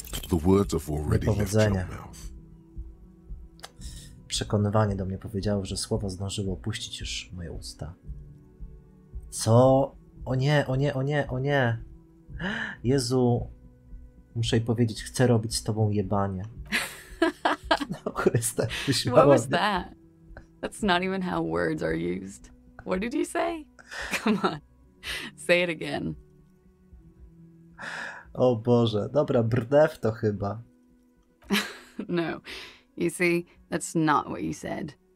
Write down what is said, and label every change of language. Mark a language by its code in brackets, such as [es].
[en] The words have already left your mouth. [pl] Przekonywanie do mnie powiedziało, że słowo zdążyło opuścić już moje usta. Co? O nie, o nie, o nie, o nie. Jezu, muszę jej powiedzieć, chcę robić z tobą jebanie. No Chryste, [en] what was that? That's not even how words are used. What did you say? Come on, say it again. [pl] O Boże, dobra, brdew to chyba. [en] No, you see, that's not what you said.